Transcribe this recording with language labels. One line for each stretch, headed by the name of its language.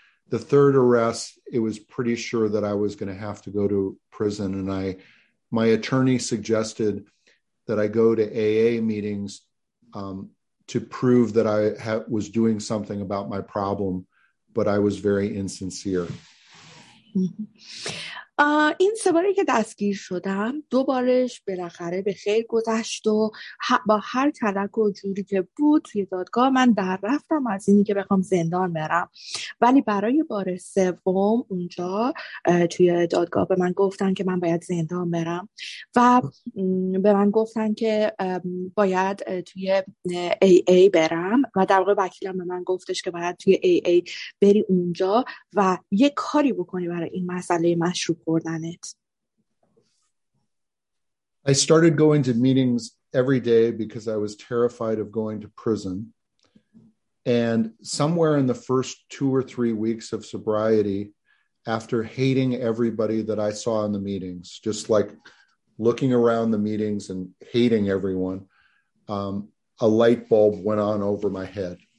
English: The 3rd arrest, it was pretty sure that I was going to have to go to prison, and my attorney suggested that I go to AA meetings to prove that I was doing something about my problem, but I was very insincere.
Persian: این سباری که دستگیر شدم دوبارش بالاخره به خیر گذشت و با هر تلک و جوری که بود توی دادگاه من در رفتم از اینی که بخوام زندان برم، ولی برای بار سوم اونجا توی دادگاه به من گفتن که من باید زندان برم و به من گفتن که باید توی AA برم و در واقع وکیلم به من گفتش که باید توی AA بری اونجا و یه کاری بکنی برای این مسئله مشروب.
English: I started going to meetings every day because I was terrified of going to prison. And somewhere in the first 2 or 3 weeks of sobriety, after hating everybody that I saw in the meetings, just like looking around the meetings and hating everyone, a light bulb went on over my head.